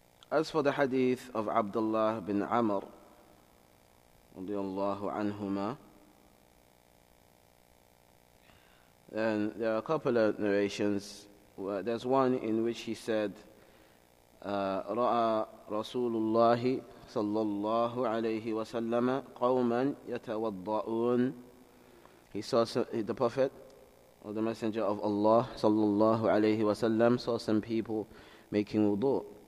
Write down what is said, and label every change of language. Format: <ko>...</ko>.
<en>As for the hadith of Abdullah bin Amr</en> <ar>رضي الله عنهما,</ar> <en>then there are a couple of narrations. There's one in which he said,</en> <ar>رَأَى رَسُولُ اللَّهِ صَلَّى اللَّهُ عَلَيْهِ وَسَلَّمَ قَوْمًا يَتَوَضَّعُونَ.</ar> <en>He saw the Prophet or the Messenger of Allah</en> <ar>صلى الله عليه وسلم</ar> <en>saw some people making wudu.</en>